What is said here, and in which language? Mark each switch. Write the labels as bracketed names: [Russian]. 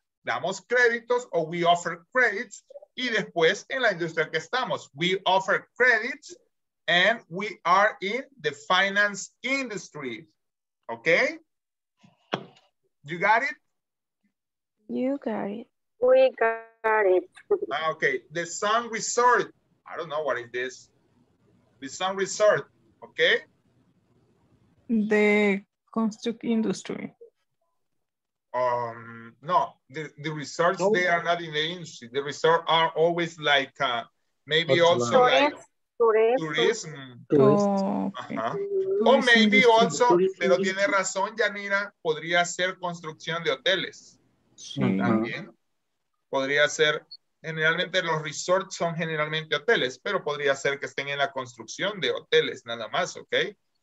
[Spanish] Damos créditos, o [English] we offer credits, [Spanish] y después en la industria que estamos. [English] We offer credits and we are in the finance industry. Okay? You got it? You got it. We got it. Okay. The sun resort. I don't know what it is. The sun resort. Okay? The construct industry. No, the resorts, they are not in the industry. The resorts are always like maybe also like tourism. Uh-huh. [Spanish] O [English] maybe also, [Spanish] pero tiene razón, Yanira, podría ser construcción de hoteles. También podría ser, generalmente los resorts son generalmente hoteles, pero podría ser que estén en la construcción de hoteles, nada más, okay?